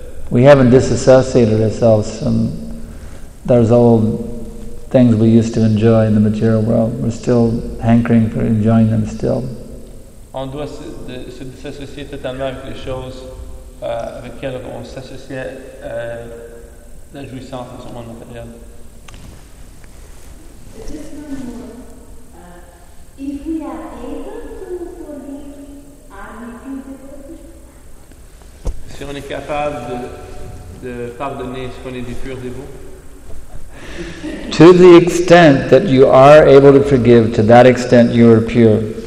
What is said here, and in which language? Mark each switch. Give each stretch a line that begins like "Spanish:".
English: We haven't disassociated ourselves from those old things we used to enjoy in the material world. We're still hankering for enjoying them still.
French: On doit se dissocier totalement avec les choses avec lesquelles on s'associait la jouissance dans son monde matériel. si on est capable de pardonner ce qu'on est des purs dévots.
English: To the extent that you are able to forgive, to that extent you are pure.